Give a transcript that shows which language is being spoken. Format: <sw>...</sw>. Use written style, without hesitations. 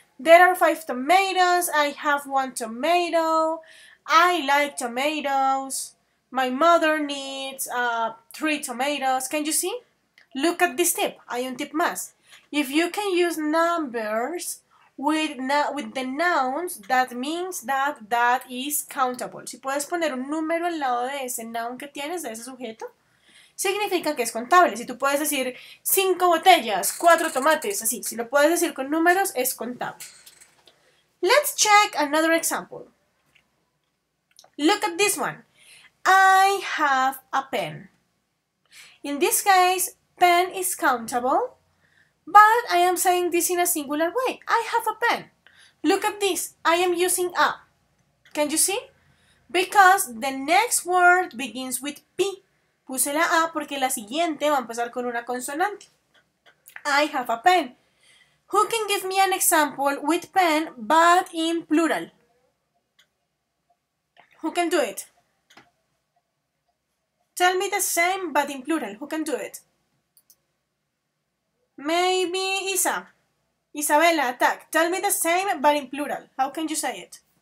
<en>There are 5 tomatoes, I have 1 tomato, I like tomatoes, my mother needs 3 tomatoes. Can you see? Look at this tip,</en> <es>hay un tip más.</es> <en>If you can use numbers with the nouns, that means that is countable.</en> <es>Si puedes poner un número al lado de ese noun que tienes, de ese sujeto, significa que es contable. Si tú puedes decir 5 botellas, 4 tomates, así. Si lo puedes decir con números, es contable.</es> <en>Let's check another example. Look at this one. I have a pen. In this case, pen is countable, but I am saying this in a singular way. I have a pen. Look at this. I am using a. Can you see? Because the next word begins with P.</en> <es>Puse la A porque la siguiente va a empezar con una consonante.</es> <en>I have a pen. Who can give me an example with pen but in plural? Who can do it? Tell me the same but in plural. Who can do it? Maybe Isa. Isabella, attack. Tell me the same but in plural. How can you say it?</en>